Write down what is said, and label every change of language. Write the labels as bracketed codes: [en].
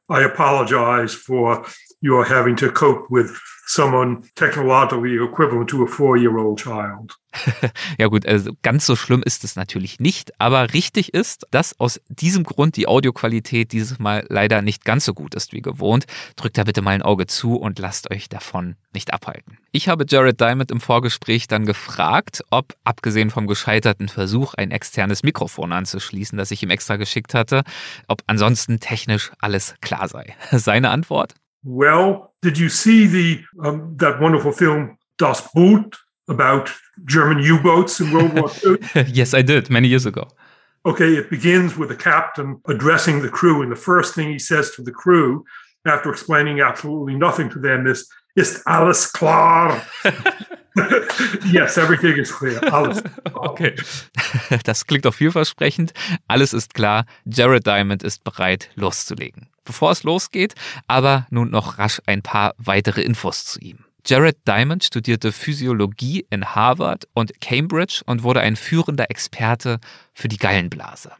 [en] I apologize for your having to cope with someone technologically equivalent to a 4-year-old child. [de] Ja gut, also ganz so schlimm ist es natürlich nicht, aber richtig ist, dass aus diesem Grund die Audioqualität dieses Mal leider nicht ganz so gut ist wie gewohnt. Drückt da bitte mal ein Auge zu und lasst euch davon nicht abhalten. Ich habe Jared Diamond im Vorgespräch dann gefragt, ob, abgesehen vom gescheiterten Versuch, ein externes Mikrofon anzuschließen, das ich ihm extra geschickt hatte, ob ansonsten technisch alles klar sei. Seine Antwort? [en] Well, did you see the that wonderful film Das Boot? About German U-boats in World War II? Yes, I did, many years ago. Okay, it begins with the captain addressing the crew, and the first thing he says to the crew, after explaining absolutely nothing to them, is, [de] "Ist alles klar?" [en] Yes, everything is clear. [de] Alles klar. Okay, das klingt doch vielversprechend. Alles ist klar, Jared Diamond ist bereit, loszulegen. Bevor es losgeht, aber nun noch rasch ein paar weitere Infos zu ihm. Jared Diamond studierte Physiologie in Harvard und Cambridge und wurde ein führender Experte für die Gallenblase.